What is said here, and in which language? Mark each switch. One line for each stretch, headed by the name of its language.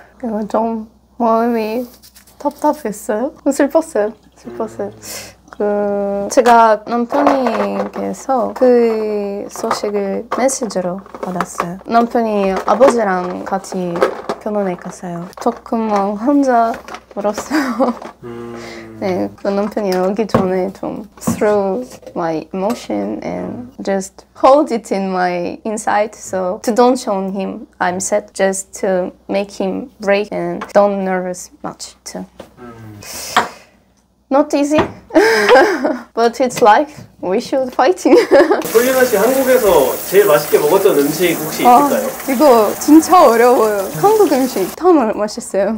Korean: 이거 좀, 마음이. 답답했어요? 슬펐어요. 슬펐어요. 그 제가 남편이께서 그 소식을 메시지로 받았어요. 남편이 아버지랑 같이 병원에 갔어요. 조금만 혼자 울었어요. 네, 그 남편이 오기 전에 좀
English: through my emotion and just hold it in my inside so to don't show him I'm sad just to make him break and don't nervous much too. Not easy, but it's like we should fighting.
Korean: 폴리나 씨 한국에서 제일 맛있게 먹었던 음식 혹시 있을까요? 아, 이거 진짜 어려워요. 한국 음식 다 맛있어요.